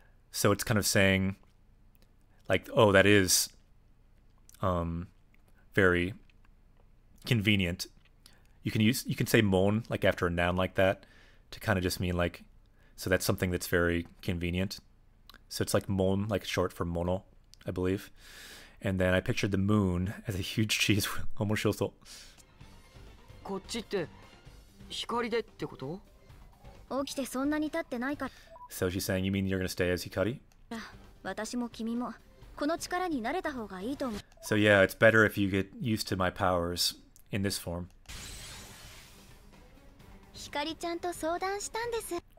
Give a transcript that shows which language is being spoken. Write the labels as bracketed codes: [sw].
[en] So it's kind of saying like, oh, that is very convenient. You can say mon like after a noun like that to kind of just mean like,So that's something that's very convenient. So it's like mon, like short for mono, I believe. And then I pictured the moon as a huge cheese. [ja] 面白そう。こっちって光でってこと? 起きてそんなに経ってないから。 [en] So she's saying, you mean you're gonna stay as Hikari? [ja] 私も君もこの力に慣れた方がいいと思う。 [en] So yeah, it's better if you get used to my powers in this form. [ja] 光ちゃんと相談したんです。